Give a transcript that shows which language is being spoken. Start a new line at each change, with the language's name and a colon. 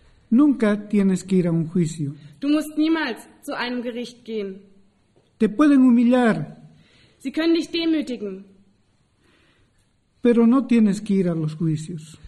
Spanish: Nunca tienes que ir a un juicio.
German: Du musst niemals zu einem Gericht gehen.
Spanish: Te pueden humillar.
German: Sie können dich demütigen.
Spanish: Pero no tienes que ir a los juicios.